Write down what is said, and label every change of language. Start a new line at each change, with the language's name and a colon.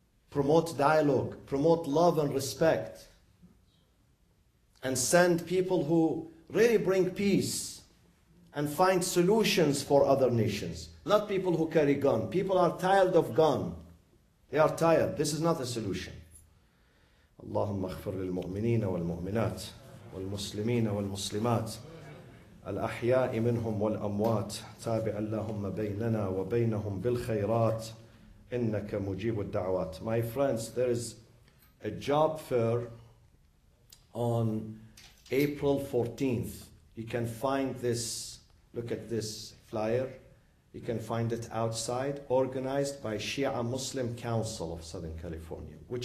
English: Promote dialogue, promote love and respect. And send people who really bring peace and find solutions for other nations. Not people who carry guns. People are tired of guns. They are tired. This is not a solution.
Arabic: اللهم اغفر للمؤمنين والمؤمنات والمسلمين والمسلمات الأحياء منهم والأموات تابع اللهم بيننا وبينهم بالخيرات إنك مجيب الدعوات.
English: My friends, there is a job fair on April 14th. You can find this, look at this flyer. You can find it outside, organized by Shia Muslim Council of Southern California, which is